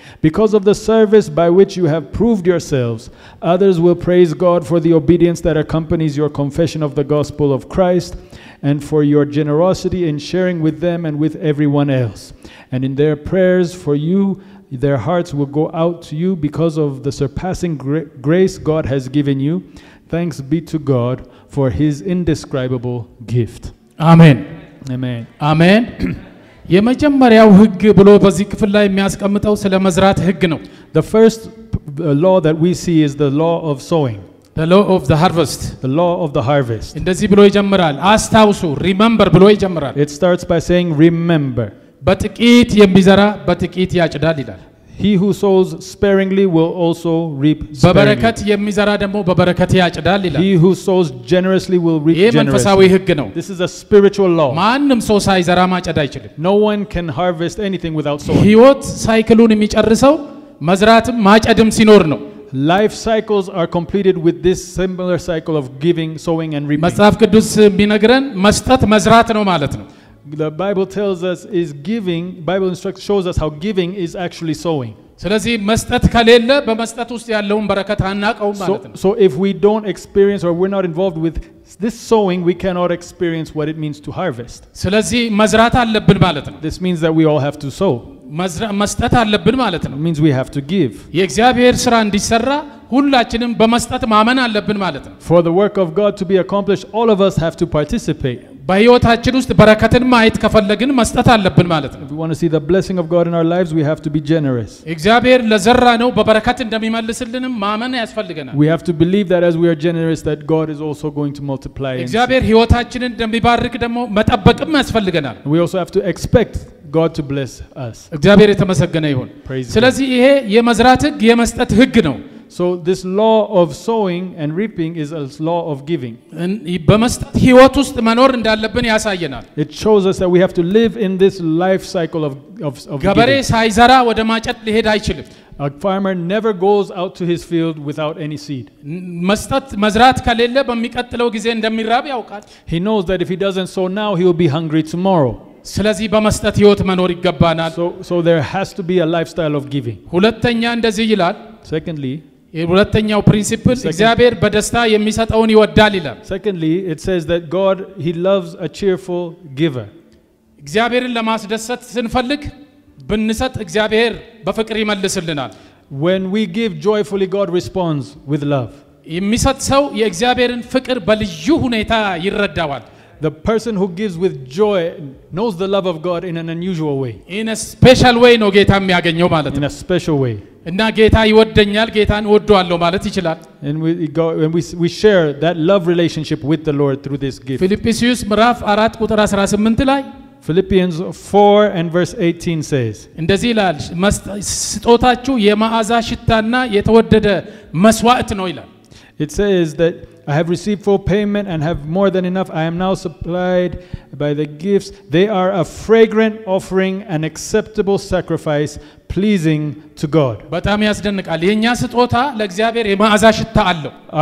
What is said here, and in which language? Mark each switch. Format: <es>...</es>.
<en>Because of the service by which you have proved yourselves, others will praise God for the obedience that accompanies your confession of the gospel of Christ, and for your generosity in sharing with them and with everyone else. And in their prayers for you, their hearts will go out to you because of the surpassing grace God has given you. Thanks be to God for his indescribable gift. Amen. Amen. Amen.</en> <am>የመጀመሪያው ህግ ብሎ በዚህ ክፍል ላይ የሚያስቀምጠው ስለ መዝራት ህግ ነው።</am> <en>The first law that we see is the law of sowing. The law of the harvest. The law of the harvest.</en> <am>እንደዚህ ብሎ ይጀምራል። አስታውሱ, remember ብሎ ይጀምራል።</am> <en>It starts by saying remember.</en> <am>በጥቂት የሚዘራ በጥቂት ያጭዳል ይላል።</am> <en>He who sows sparingly will also reap sparingly.</en> <am>በበረከት የሚዘራ ደግሞ በበረከት ያጭዳል ይላል።</am> <en>He who sows generously will reap generously.</en> <am>ይሄ መንፈሳዊ ህግ ነው።</am> <en>This is a spiritual law.</en> <am>ማንም ሰው ሳይዘራ ማጨድ አይችልም።</am> <en>No one can harvest anything without sowing.</en> <am>ህይወት ሳይክሉን የሚጨርሰው መዝራትም ማጨድም ሲኖር ነው።</am> <en>Life cycles are completed with this similar cycle of giving, sowing and reaping.</en> <am>መጽሐፍ ቅዱስ ቢነግረን መስጠት መዝራት ነው ማለት ነው።</am> <en>The Bible tells us is giving, Bible instructs shows us how giving is actually sowing.</en> <am>ስለዚህ መስጠት ከሌለ በመስጠት ውስጥ ያለውን በረከት አናቀውም ማለት ነው።</am> <en>So if we don't experience or we're not involved with this sowing, we cannot experience what it means to harvest.</en> <am>ስለዚህ መዝራት አለብን ማለት ነው።</am> <en>This means that we all have to sow.</en> <am>መስጠት አለብን ማለት ነው።</am> <en>It means we have to give.</en> <am>የእግዚአብሔር ሥራ እንዲሰራ ሁላችንም በመስጠት ማመን አለብን ማለት ነው።</am> <en>For the work of God to be accomplished, all of us have to participate.</en> <am>በህይወታችን ውስጥ በረከትን ማየት ከፈለግን መስጠት አለብን ማለት ነው።</am> <en>If we want to see the blessing of God in our lives, we have to be generous.</en> <am>እግዚአብሔር ለዘራነው በበረከት እንደሚመልስልንም ማመን ያስፈልገናል።</am> <en>We have to believe that as we are generous that God is also going to multiply.</en> <am>እግዚአብሔር ህይወታችንን እንደሚባርክ ደግሞ መጠበቅም ያስፈልገናል።</am> <en>We also have to expect God to bless us.</en> <am>እግዚአብሔር የተመሰገነ ይሁን። ስለዚህ ይሄ የመዝራት ህግ የመስጠት ህግ ነው።</am> <en>So this law of sowing and reaping is a law of giving.</en> <am>And በመስጠት ህይወት ውስጥ መኖር እንዳለብን ያሳየናል.</am> <en>It shows us that we have to live in this life cycle of giving.</en> <am>ገበሬ ሳይዘራ ወደ ማጨድ ሊሄድ አይችልም.</am> <en>A farmer never goes out to his field without any seed.</en> <am>መስጠት መዝራት ከሌለ በሚቀጥለው ጊዜ እንደሚራብ ያውቃል.</am> <en>He knows that if he doesn't sow now he will be hungry tomorrow.</en> <am>ስለዚህ በመስጠት ህይወት መኖር ይገባናል.</am> <en>So there has to be a lifestyle of giving.</en> <am>ሁለተኛ እንደዚህ ይላል.</am> <en>Secondly,</en> <am>የሁለተኛው principle እግዚአብሔር በደስታ የሚሰጠውን ይወዳል ይላል.</am> <en>Secondly, it says that God, he loves a cheerful giver.</en> <am>እግዚአብሔርን ለማስደሰት ስንፈልግ ብንሰጥ እግዚአብሔር በፍቅር ይመልስልናል.</am> <en>When we give joyfully, God responds with love.</en> <am>የሚሰጥ ሰው የእግዚአብሔርን ፍቅር በልዩ ሁኔታ ይረዳዋል.</am> <en>The person who gives with joy knows the love of God in an unusual way. In a special way</en> <am>ነው ጌታ የሚያገኘው ማለት ነው.</am> <en>In a special way.</en> <am>እና ጌታ ይወደኛል ጌታን ወደዋለሁ ማለት ይችላል.</am> <en>And we share that love relationship with the Lord through this gift.</en> <am>Philippians 4 ቁጥር 18 ላይ</am> <en>Philippians 4 and verse 18 says</en> <am>እንደዚህ ይላል ስጦታችሁ የማዓዛ ሽታና የተወደደ መስዋዕት ነው ይላል.</am> <en>It says that I have received full payment and have more than enough. I am now supplied by the gifts. They are a fragrant offering, an acceptable sacrifice, pleasing to God.</en> <am>በጣም ያስደንቃል. የኛ ስጦታ ለእግዚአብሔር የማዓዛ ሽታ አለው.</am>